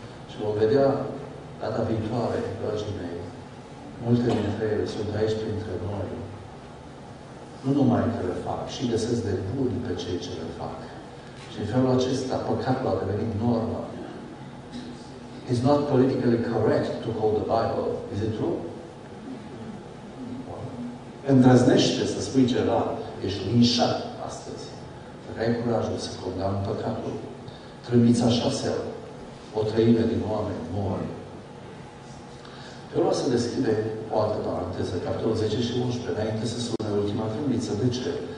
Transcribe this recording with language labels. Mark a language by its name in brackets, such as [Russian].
[Romanian] Și vom vedea data viitoare, dragii mei, multe dintre ele sunt aici printre noi. Nu numai că le fac, și găsesc de buni pe cei ce le fac. Și în felul acesta, păcatul a devenit normă. [English] It's not politically correct to quote the Bible. Is it true? [Romanian] Îndrăznește să spui ceva. Ești linșat astăzi. Dacă ai curajul să condamn păcatul, trâmbița șasea, o treime din oameni mori. Vreau să deschide o altă paranteză, capitolul 10 și 11, înainte să sune ultima trâmbiță. De ce?